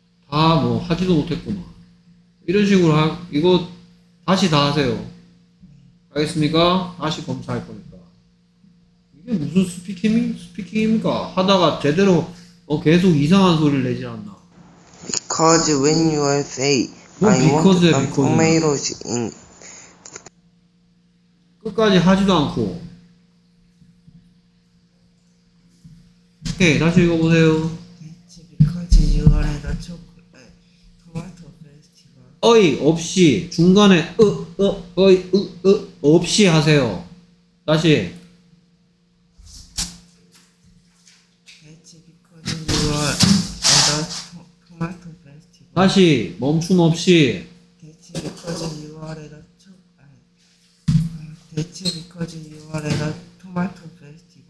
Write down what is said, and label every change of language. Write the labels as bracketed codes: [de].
[ko] 다 뭐 하지도 못했구나 이런 식으로 하, 이거 다시 다 하세요 알겠습니까? 다시 검사할 거니까 이게 무슨 스피킹입니까? 하다가 제대로 어, 계속 이상한 소리를 내지 않나 [en] Because when you are say 뭐 I want some tomatoes in [ko] 끝까지 하지도 않고 오케이 다시 읽어보세요. [en] That's because you are at a chocolate tomato festival. [ko] 어이 없이 중간에 어이 없이 하세요. 다시. [en] That's because you are at a tomato festival. [ko] 다시 멈춤 없이. [en] That's because you are at a chocolate. That's because you are at a tomato festival.